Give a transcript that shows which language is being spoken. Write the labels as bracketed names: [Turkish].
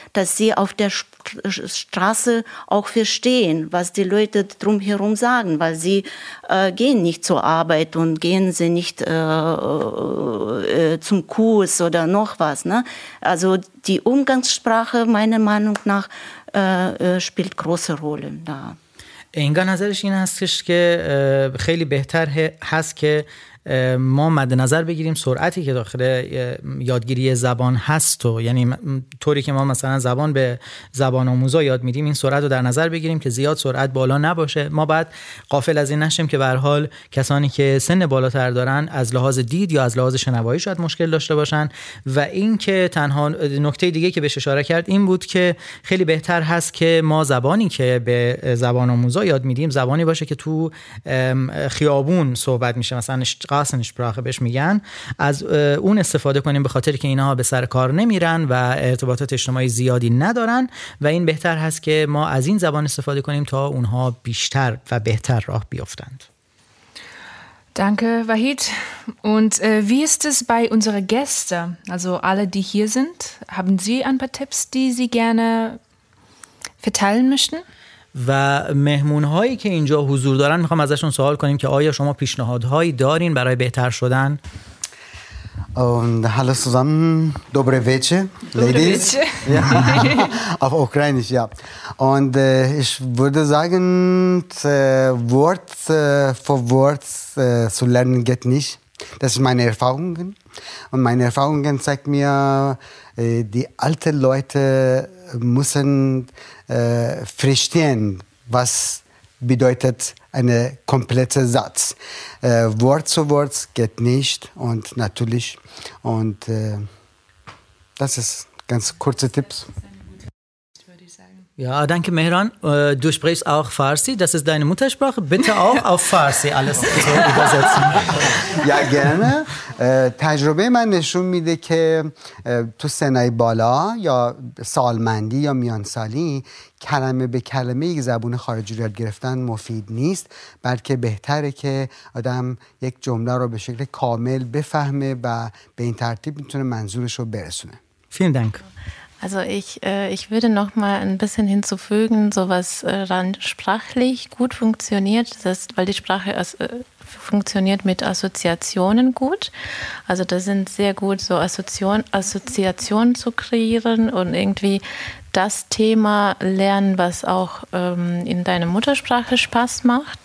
[German] Dass sie auf der Straße auch verstehen, was die Leute drumherum sagen, weil sie gehen nicht zur Arbeit und gehen sie nicht zum Kurs oder noch was. Ne? Also die Umgangssprache, meiner Meinung nach, spielt große Rolle da. [Persian] اینجا نظرش این هستش که خیلی بهتر هست که ما مد نظر بگیریم سرعتی که داخل یادگیری زبان هست و یعنی طوری که ما مثلا زبان به زبان آموزا یاد میدیم این سرعت رو در نظر بگیریم که زیاد سرعت بالا نباشه ما بعد غافل از این نشیم که به هر حال کسانی که سن بالاتر دارن از لحاظ دید یا از لحاظ شنوایی شاید مشکل داشته باشن و این که تنها نکته دیگه که بهش اشاره کرد این بود که خیلی بهتر هست که ما زبانی که به زبان آموزا یاد میدیم زبانی باشه که تو خیابون صحبت میشه مثلا قاسنشپراخه بهش میگن از اون استفاده کنیم به خاطر که اینها به سر کار نمیرن و ارتباطات اجتماعی زیادی ندارن و این بهتر هست که ما از این زبان استفاده کنیم تا اونها بیشتر و بهتر راه بیافتند. [German] Danke, Wahid. Und wie ist es bei unseren Gästen, also alle, die hier sind? Haben Sie ein paar Tipps, die Sie gerne verteilen möchten? [Persian] و مهمون‌هایی که اینجا حضور دارن می‌خوام ازشون سوال کنیم که آیا شما پیشنهادهایی دارین برای بهتر شدن؟ [German] Hallo zusammen, [Ukrainian] dobre veche, [German] ladies. Auf Ukrainisch, ja. Und ich würde sagen, Wort für Wort zu lernen geht nicht. Das ist meine Erfahrung. Und meine Erfahrung zeigt mir, die alten Leute müssen verstehen, was bedeutet einen kompletten Satz. Wort zu Wort geht nicht und natürlich. Und das ist ganz kurze Tipps. Ja, danke Mehran. Du sprichst auch Farsi, das ist deine Muttersprache. Bitte auch auf Farsi alles zu übersetzen. Ja, gerne. [Persian] تجربه من نشون میده که تو سنای بالا یا سالمندی یا میانسالی کلمه به کلمه یک زبان خارجی رو یاد گرفتن مفید نیست بلکه بهتره که آدم یک جمله رو به شکل کامل بفهمه و به این ترتیب میتونه منظورش رو برسونه. [German] Vielen Dank. Also ich würde noch mal ein bisschen hinzufügen, so was dann sprachlich gut funktioniert, das ist, weil die Sprache funktioniert mit Assoziationen gut. Also das sind sehr gut, so Assoziationen zu kreieren und irgendwie das Thema lernen, was auch in deiner Muttersprache Spaß macht.